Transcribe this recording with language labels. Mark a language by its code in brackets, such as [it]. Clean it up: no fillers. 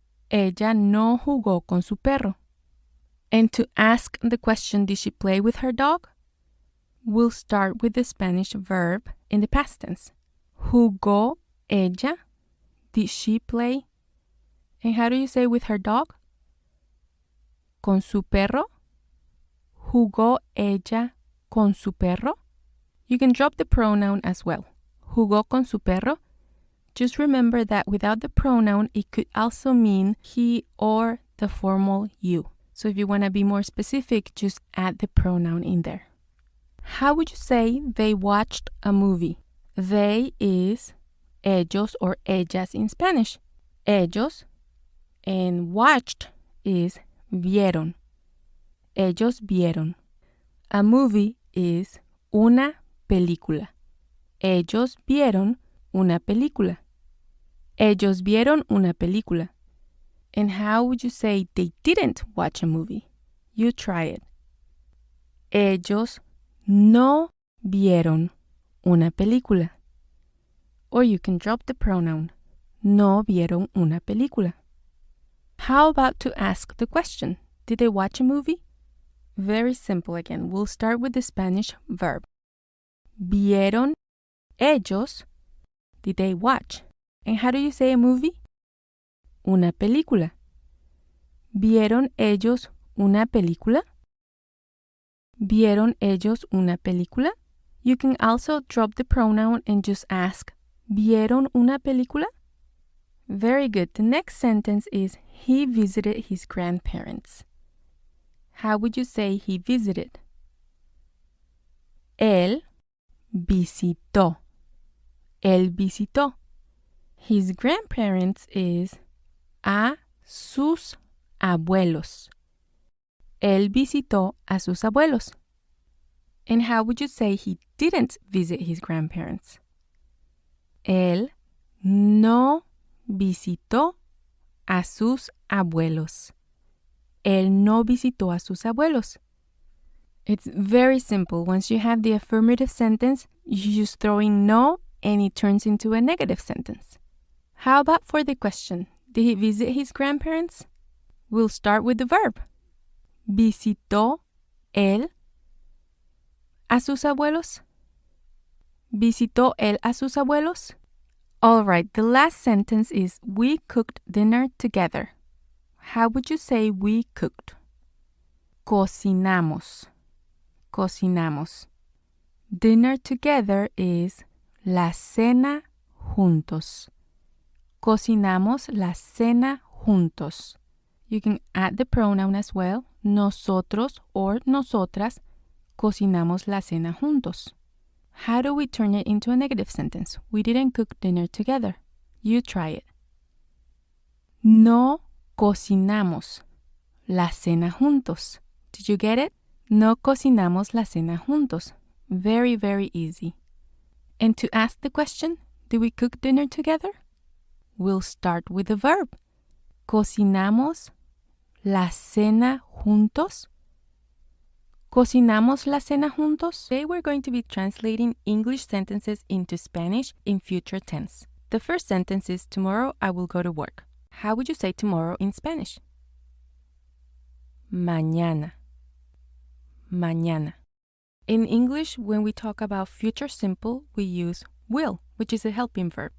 [es] Ella no jugó con su perro. [en] And to ask the question, did she play with her dog? We'll start with the Spanish verb in the past tense. [es] Jugó ella? [en] Did she play? And how do you say with her dog? [es] Con su perro? Jugó ella con su perro? [en] You can drop the pronoun as well. [es] Jugó con su perro? [en] Just remember that without the pronoun, it could also mean he or the formal you. So if you want to be more specific, just add the pronoun in there. How would you say they watched a movie? They is ellos or ellas in Spanish. [es] Ellos [en] and watched is [es] vieron. Ellos vieron. [en] A movie is [es] una película. Ellos vieron una película. Ellos vieron una película. [en] And how would you say they didn't watch a movie? You try it. [es] Ellos no vieron una película. [en] Or you can drop the pronoun. [es] No vieron una película. [en] How about to ask the question? Did they watch a movie? Very simple again. We'll start with the Spanish verb. [es] Vieron ellos. [en] Did they watch? And how do you say a movie? [es] Una película. ¿Vieron ellos una película? ¿Vieron ellos una película? [en] You can also drop the pronoun and just ask, [es] ¿Vieron una película? [en] Very good. The next sentence is, he visited his grandparents. How would you say he visited? [es] Él visitó. Él visitó. [en] His grandparents is [es] a sus abuelos. Él visitó a sus abuelos. [en] And how would you say he didn't visit his grandparents? [es] Él no visitó a sus abuelos. Él no visitó a sus abuelos. [en] It's very simple. Once you have the affirmative sentence, you just throw in no and it turns into a negative sentence. How about for the question? Did he visit his grandparents? We'll start with the verb. [es] ¿Visitó él a sus abuelos? ¿Visitó él a sus abuelos? [en] All right, the last sentence is, we cooked dinner together. How would you say we cooked? [es] Cocinamos. Cocinamos. [en] Dinner together is [es] la cena juntos. Cocinamos la cena juntos. [en] You can add the pronoun as well. [es] Nosotros or nosotras cocinamos la cena juntos. [en] How do we turn it into a negative sentence? We didn't cook dinner together. You try it. [es] No cocinamos la cena juntos. [en] Did you get it? [es] No cocinamos la cena juntos. [en] Very, very easy. And to ask the question, do we cook dinner together? We'll start with the verb. [es] ¿Cocinamos la cena juntos? ¿Cocinamos la cena juntos? [en] Today we're going to be translating English sentences into Spanish in future tense. The first sentence is, tomorrow I will go to work. How would you say tomorrow in Spanish? [es] Mañana. Mañana. [en] In English, when we talk about future simple, we use will, which is a helping verb.